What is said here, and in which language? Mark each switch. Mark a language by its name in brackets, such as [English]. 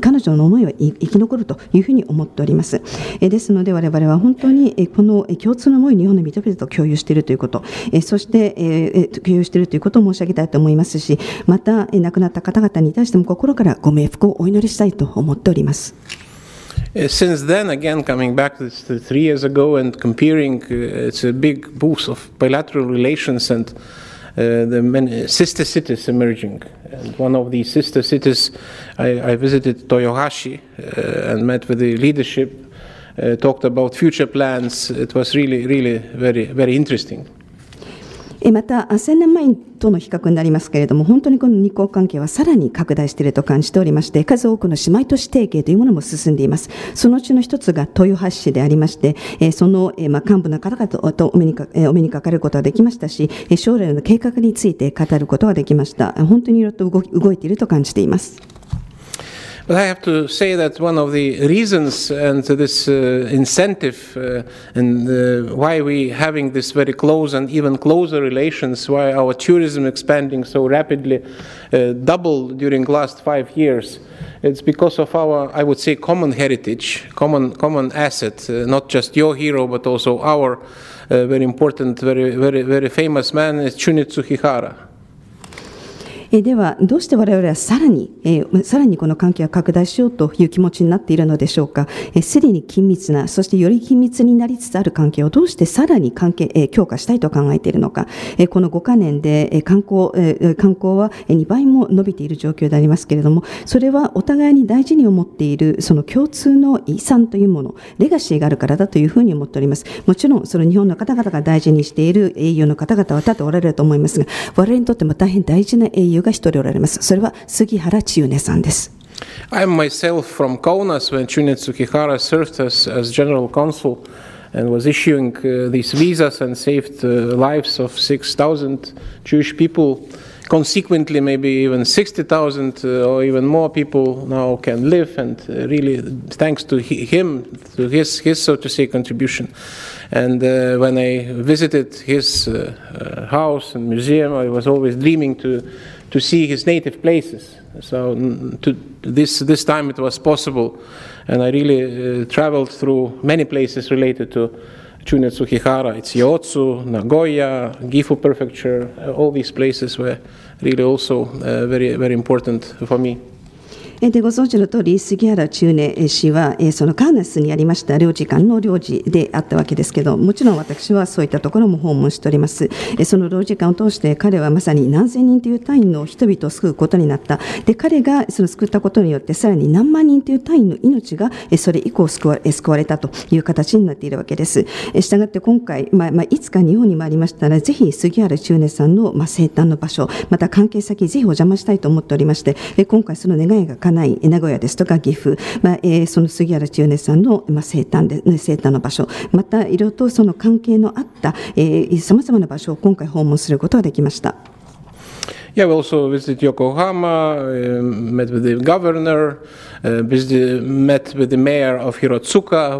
[Japanese] 彼女の思いは生き残るというふうに思っております。ですので我々は本当にこの共通の思いを日本の人々と共有しているということ、そして共有しているということを申し上げたいと思いますし、また亡くなった方々に対しても心からご冥福をお祈りしてしたいと思っております。 [English] Since then, again, coming back to this 3 years ago and comparing, it's a big boost of bilateral relations and the many sister cities emerging. And one of these sister cities, I visited Toyohashi and met with the leadership, talked about future plans. It was really, really very, very interesting. [Japanese] また1000年前との比較になりますけれども、本当にこの日韓関係はさらに拡大していると感じておりまして、数多くの姉妹都市提携というものも進んでいます。そのうちの一つが豊橋市でありまして、その幹部の方々とお目にかかることができましたし、将来の計画について語ることができました。本当にいろいろと動いていると感じています。 [English] But I have to say that one of the reasons and this incentive and why we having this very close and even closer relations, why our tourism expanding so rapidly, doubled during last 5 years, it's because of our, I would say, common heritage, common asset, not just your hero, but also our very important, very, very, very famous man, Chunetsu Hihara. [Japanese] ではどうして我々はさらにこの関係を拡大しようという気持ちになっているのでしょうか。すでに緊密な、そしてより緊密になりつつある関係をどうしてさらに関係強化したいと考えているのか。この5カ年で観光は2倍も伸びている状況でありますけれども、それはお互いに大事に思っているその共通の遺産というもの、レガシーがあるからだというふうに思っております。もちろんその日本の方々が大事にしている英雄の方々は多々おられると思いますが、我々にとっても大変大事な英雄が一人おられます。それは杉原千畝さんです。 [English] I myself from Kaunas when Chunetsu Kihara served as general consul and was issuing these visas and saved lives of 6,000 Jewish people. Consequently, maybe even 60,000 or even more people now can live, and really thanks to him, to his so to say contribution. And when I visited his house and museum, I was always dreaming to see his native places. So this time it was possible, and I really traveled through many places related to Chunetsu Kihara. It's Yotsu, Nagoya, Gifu Prefecture, all these places were really also very, very important for me. [Japanese] でご存知の通り、杉原忠寧氏はそのカーナスにありました領事館の領事であったわけですけど、もちろん私はそういったところも訪問しております。その領事館を通して彼はまさに何千人という単位の人々を救うことになった。で彼がその救ったことによってさらに何万人という単位の命がそれ以降救われたという形になっているわけです。したがって今回、いつか日本にもありましたらぜひ杉原忠寧さんの生誕の場所、また関係先ぜひお邪魔したいと思っておりまして、今回その願いが家内名古屋ですとか岐阜、その杉原忠寧さんの生誕の場所、またいろいろとその関係のあったさまざまな場所を今回訪問することができました。 [English] Yeah, we also visited Yokohama, met with the governor, met with the mayor of Hirotsuka.